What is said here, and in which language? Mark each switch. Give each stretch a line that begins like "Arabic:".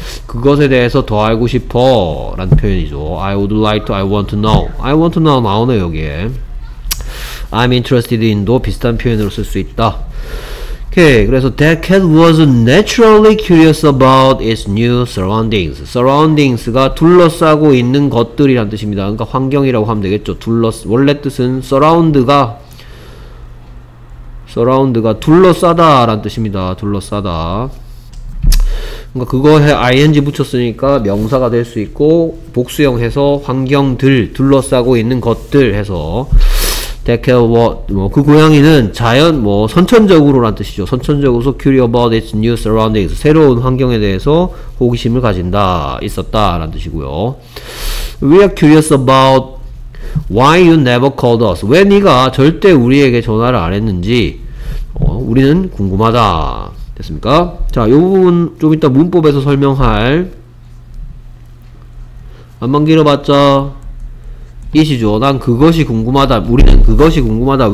Korean: 그것에 대해서 더 알고 싶어 라는 표현이죠.
English: I would like to, I want to know. I want to know
Korean: 나오네요, 여기에.
English: I'm interested in
Korean: 도 비슷한 표현으로 쓸 수 있다. 오케이. 그래서
English: that cat was naturally curious about its new surroundings.
Korean: surroundings가 둘러싸고 있는 것들이란 뜻입니다. 그러니까 환경이라고 하면 되겠죠. 원래 뜻은 surround가 둘러싸다란 뜻입니다. 둘러싸다. 그러니까 그거에 ing 붙였으니까 명사가 될 수 있고 복수형 해서 환경들 둘러싸고 있는 것들 해서 대개 그 고양이는 자연 뭐 선천적으로란 뜻이죠. 선천적으로서
English: curious about its new surroundings,
Korean: 새로운 환경에 대해서 호기심을 가진다 있었다라는 뜻이고요.
English: We are curious about why you never called us.
Korean: 왜 네가 절대 우리에게 전화를 안 했는지 우리는 궁금하다. 됐습니까? 자, 이 부분 좀 이따 문법에서 설명할 안만 길어봤자. 이시죠. 난 그것이 궁금하다. 우리는 그것이 궁금하다.